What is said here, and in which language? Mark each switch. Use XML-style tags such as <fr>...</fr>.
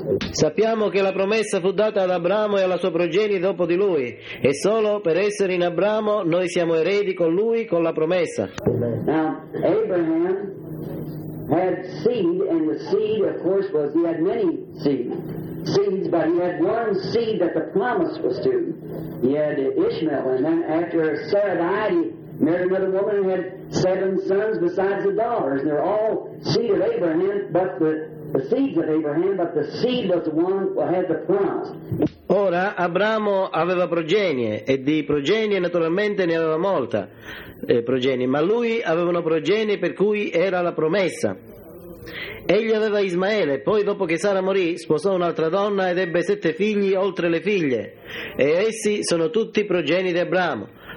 <it>Sappiamo che la promessa fu data ad Abramo e alla sua progenie dopo di lui, e solo per essere in Abramo noi siamo eredi con lui con la promessa.</it> <en>Now, Abraham had seed, and the seed, of course, was he had many seeds, but he had one seed that the promise was to. He had Ishmael, and then after Sarah died, he married another woman and had seven sons besides the daughters. They're all seed of Abraham, but the seeds of Abraham, but the seed was the one who had the promise.</en> <it>Ora Abramo aveva progenie, e di progenie naturalmente ne aveva molta, progenie, ma lui aveva una progenie per cui era la promessa. Egli aveva Ismaele, poi dopo che Sara morì sposò un'altra donna ed ebbe sette figli oltre le figlie, e essi sono tutti progenie di Abramo.</it>